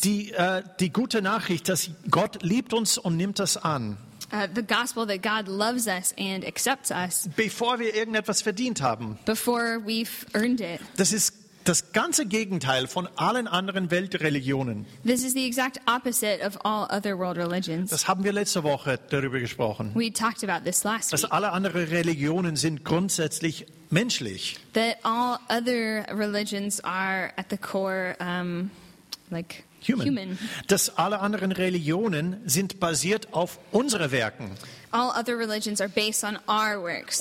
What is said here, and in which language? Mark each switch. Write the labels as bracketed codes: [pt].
[de] Die gute Nachricht, dass Gott liebt uns und nimmt das an. [en] The gospel that God loves us and accepts us. [de] Bevor wir irgendetwas verdient haben. [en] Before we've earned it. [de] Das ist das ganze Gegenteil von allen anderen Weltreligionen. [en] This is the exact opposite of all other world religions. [de] Das haben wir letzte Woche darüber gesprochen. [en] We talked about this last week. [de] Dass alle anderen Religionen sind grundsätzlich menschlich. [en] That all other religions are at the core, human. [de] Dass alle anderen Religionen sind basiert auf unsere Werken. [en] All other religions are based on our works.